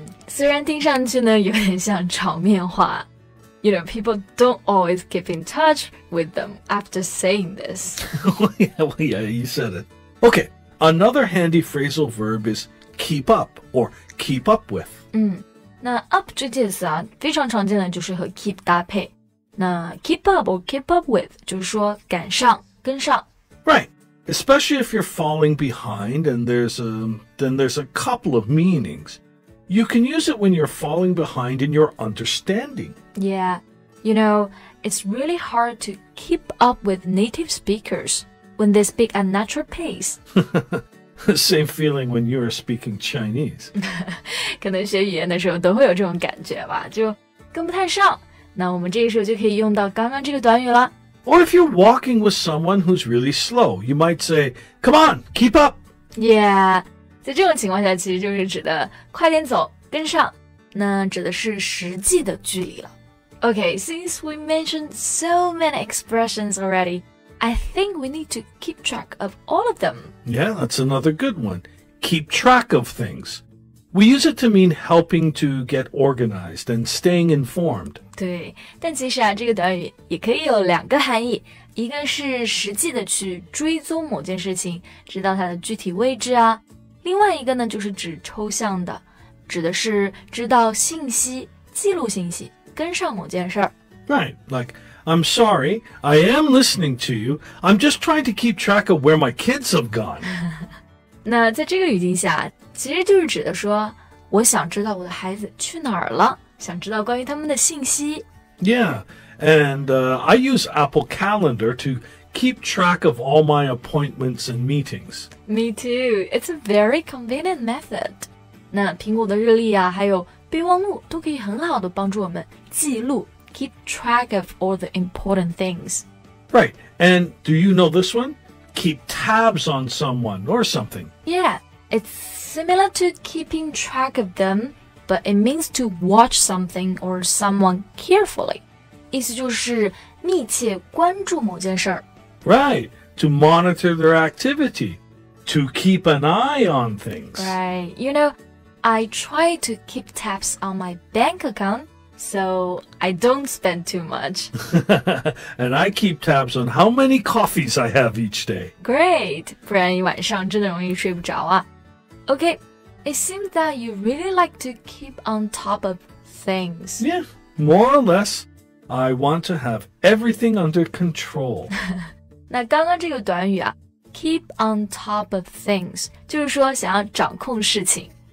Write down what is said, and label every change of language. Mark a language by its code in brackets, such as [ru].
[zh] 虽然听上去呢有点像场面话。 [en] You know, people don't always keep in touch with them after saying this. Well, yeah, you said it. Okay, another handy phrasal verb is keep up or keep up with. [zh] 那 up 这介词啊，非常常见的就是和 keep 搭配。那 [en] keep up or keep up with [zh] 就是说赶上、跟上。 [en] Right, especially if you're falling behind, and there's a couple of meanings. You can use it when you're falling behind in your understanding. Yeah, you know, it's really hard to keep up with native speakers when they speak at natural pace. Same feeling when you are speaking Chinese. [zh] 可能学语言的时候都会有这种感觉吧，就跟不太上。那我们这个时候就可以用到刚刚这个短语了。 [en] Or if you're walking with someone who's really slow, you might say, Come on, keep up! [zh] Yeah, 在这种情况下其实就是指的快点走，跟上。那指的是实际的距离了。 [en] Okay, since we mentioned so many expressions already,I think we need to keep track of all of them. Yeah, that's another good one. Keep track of things. We use it to mean helping to get organized and staying informed. [zh] 对，但其实啊，这个短语也可以有两个含义。一个是实际的去追踪某件事情，知道它的具体位置啊。另外一个呢，就是指抽象的，指的是知道信息，记录信息，跟上某件事儿。 [en] Right, like... I'm sorry, I am listening to you. I'm just trying to keep track of where my kids have gone. [zh] 那在这个语境下，其实就是指的说，我想知道我的孩子去哪儿了，想知道关于他们的信息。 [en] Yeah, and I use Apple Calendar to keep track of all my appointments and meetings. Me too. It's a very convenient method. [zh] 那苹果的日历啊，还有备忘录都可以很好的帮助我们记录。 [en] Keep track of all the important things. Right. And do you know this one? Keep tabs on someone or something. Yeah. It's similar to keeping track of them, but it means to watch something or someone carefully. [zh] 意思就是密切关注某件事。 [en] Right. To monitor their activity. To keep an eye on things. Right. You know, I try to keep tabs on my bank account. So, I don't spend too much. And I keep tabs on how many coffees I have each day. Great! [zh] 不然一晚上真的容易睡不着啊。 [en] Okay, it seems that you really like to keep on top of things. Yeah, more or less, I want to have everything under control. [zh] 那刚刚这个短语啊 [en] keep on top of things, [zh] 就是说想要掌控事情。